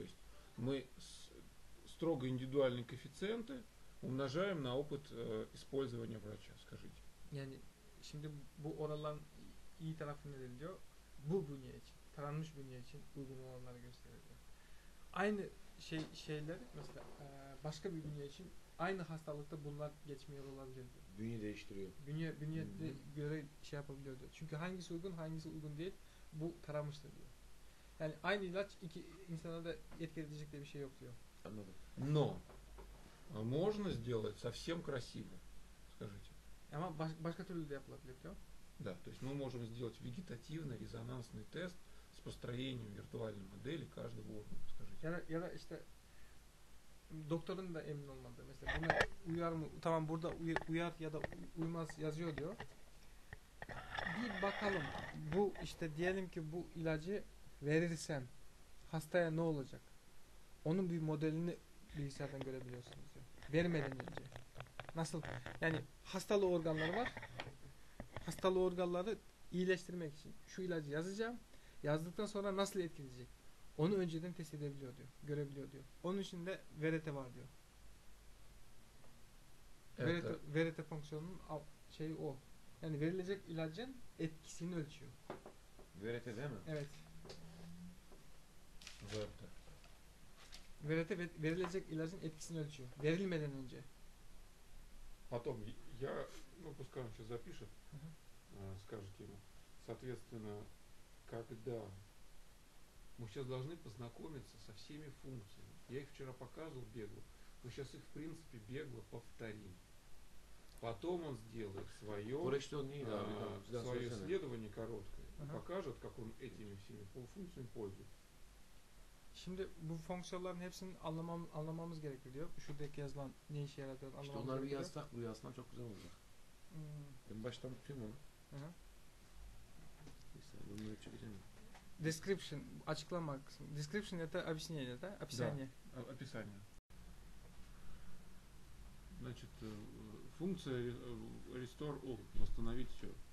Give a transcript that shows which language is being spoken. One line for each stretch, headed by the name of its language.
Russian: То есть мы строго индивидуальные коэффициенты умножаем на опыт использования врача, скажите.
Turkish: Yani şimdi bu oraların iyi tarafı ne diyor? Bu bünye için, taranmış bünye için uygun olanları gösteriyor. Aynı şey şeyler mesela başka bir bünye için aynı hastalıkta bunlar geçmiyor olabilir diyor. Bünye değiştiriyor. Bünye de göre şey yapabiliyor diyor. Çünkü hangisi uygun, hangisi uygun değil. Bu taramıştır diyor. Yani aynı ilaç iki insana da etki edecek diye bir şey yok diyor. Anladım.
Russian: Но можно сделать совсем красиво. Скажите.
Turkish: Ama başka türlü de yapılabilir diyor.
Russian: Да, то есть мы можем сделать вегетативный резонансный тест с построением виртуальной модели каждого органа, скажите.
Turkish: Ya da işte doktorun da emin olmadığı mesela buna uyar mı? Tamam, burada uyar ya da uymaz yazıyor diyor. Bir bakalım, bu işte diyelim ki bu ilacı verirsen hastaya ne olacak? Onun bir modelini bilgisayardan görebiliyorsunuz diyor. Vermeden önce. Nasıl? Yani hastalı organları var. Hastalı organları iyileştirmek için şu ilacı yazacağım. Yazdıktan sonra nasıl etkileyecek? Onu önceden test edebiliyor diyor. Görebiliyor diyor. Onun için de verete var diyor. Verete fonksiyonunun şeyi o. Yani verilecek ilacın etkisini ölçüyor. Verete değil mi? Evet. Verete. Verete verilecek ilacın etkisini ölçüyor. Verilmeden önce.
Russian: Потом я, ну пускай он сейчас запишет, скажет ему. Соответственно, когда мы сейчас должны познакомиться со всеми функциями. Я их вчера показывал бегло. Мы сейчас их в принципе бегло повторим. Потом он сделает свое, свое исследование короткое. Покажет, как он этими всеми функциями пользуется.
Turkish: Şimdi bu fonksiyonların hepsini anlamamız gerekiyor diyor. Şuradaki yazılan ne işe yaradığını anlamamız gerekiyor. İşte onları bir yazsak bu yazsan çok güzel olacak. Ben baştan tutayım onu. Bunları çekeceğim. Description, açıklama kısmı.
Russian: Description это объяснение, да? Описание. Да, описание. Значит, функция
English: restore all,
Russian: восстановить все.